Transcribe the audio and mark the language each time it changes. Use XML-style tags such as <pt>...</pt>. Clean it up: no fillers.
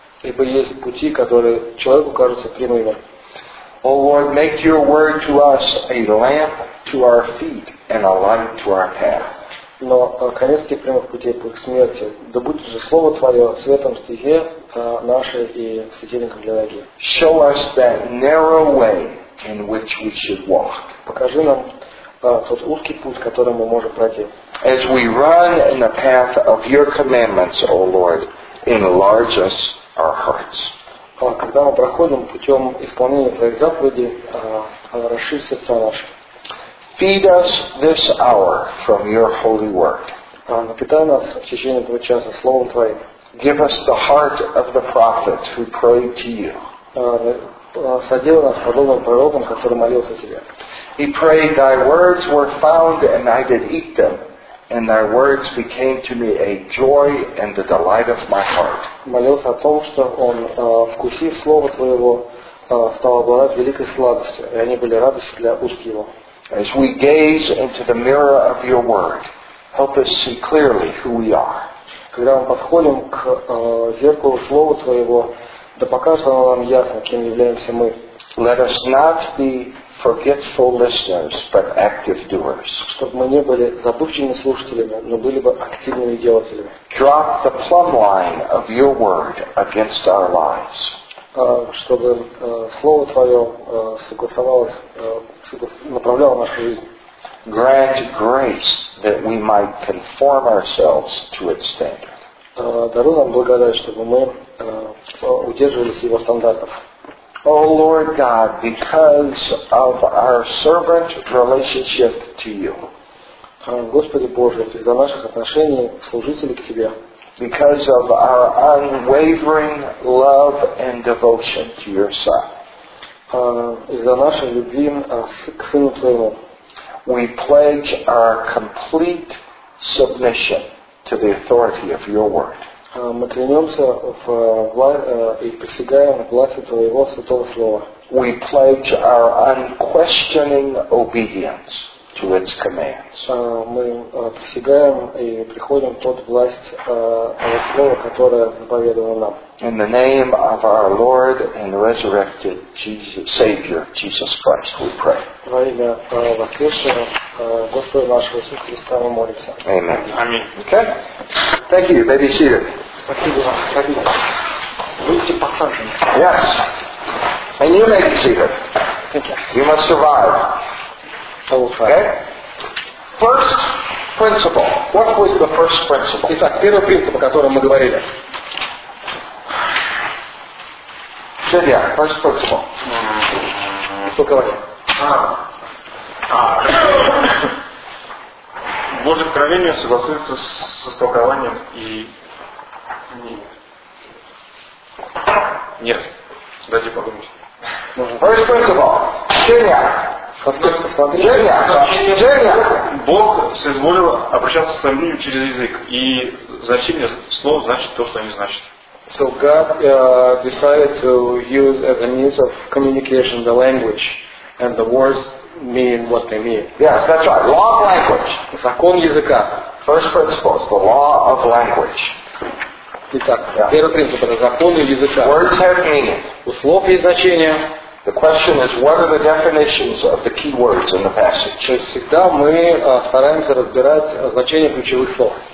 <ru>Ибо есть пути, которые человеку кажутся прямыми.</ru> <en>O Lord, make your word to us a lamp to our feet and a light to our path.</en> <ru>Но конец тех прямых путей к смерти. Да будет же Слово Твое светом стезе нашей и светильником для ноги.</ru> <en>Show us that narrow way in which we should walk.</en> <ru>Покажи нам тот узкий путь, которым мы можем пройти.</ru> <en>As we run in the path of your commandments, O Lord, enlarge us our hearts.</en> <ru>Когда мы проходим путем исполнения Твоих заповедей, расширь сердца наши.</ru> <en>Feed us this hour from your holy word.</en> <ru>Напитай нас в течение этого часа словом Твоим.</ru> <en>Give us the heart of the prophet who prayed to you.</en> <ru>Соделай нас подобным пророком, который молился Тебе.</ru> <en>He prayed, Thy words were found and I did eat them, and Thy words became to me a joy and the delight of my heart.</en> <ru>Молился о том, что он, вкусив слово Твоего, стал обладать великой сладостью, и они были радостью для уст его.</ru> <en>As we gaze into the mirror of your word, help us see clearly who we are.</en> <ru>Когда мы подходим к зеркалу слова Твоего, да покажет оно нам ясно, кем являемся мы.</ru> <en>Let us not be forgetful listeners, but active doers.</en> <ru>Чтобы мы не были забывчивыми слушателями, но были бы активными делателями.</ru> <en>Drop the plumb line of your word against our lives.</en> <ru>Чтобы слово Твое согласовалось, направляло нашу жизнь.</ru> <en>grant grace that we might conform ourselves to its standard.</en> <ru>Даруй нам благодать, чтобы мы удерживались его стандартов.</ru> <en>O Lord God, because of our servant relationship to you.</en> <ru>Господи Боже, из-за наших отношений служителей к Тебе.</ru> <en>Because of our unwavering love and devotion to your Son.</en> <ru>Из-за нашей любви к Сыну Твоему.</ru> <en>We pledge our complete submission to the authority of your word.</en> <ru>Мы клянемся в и присягаем власти Твоего Святого Слова.</ru> <en>We pledge our unquestioning obedience to its commands.</en> <ru>Мы присягаем и приходим под власть Слова, которое заповедовано нам.</ru> <en>In the name of our Lord and resurrected Savior Jesus Christ, we pray.</en> <ru>Во имя воскресшего Господа нашего Иисуса Христа мы молимся.</ru> <en>Amen. Amen. Okay. Thank you. May be seated.</en> <ru>Спасибо вам. Садитесь. Будьте посажены.</ru> <en>Yes. And you may be seated. You must survive. Okay. First principle. What was the first principle?</en> <ru>Итак, первый принцип, о котором мы говорили.</ru> <en>Сидя, first principle.</en> <ru>Что говорили? Божье откровение согласуется со истолкованием и нет. Нет. Дайте подумать.</ru> <en>First principle. Сидя.</en> <ru>Значение. Бог соизволил обращаться со мной через язык. И значение слов значит то, что они значат.</ru> <en>So God decided to use as a means of communication the language, and the words mean what they mean. Yes, that's right. Law of language.</en> <ru>Закон языка.</ru> <en>First principle is the law of language.</en> <ru>Итак, первый принцип это закон языка.</ru> <en>Words have meaning.</en> <ru>У слов есть значение.</ru> <en>The question is, what are the definitions of the key words in the passage?</en> <ru>То есть всегда мы стараемся разбирать значение ключевых слов.</ru>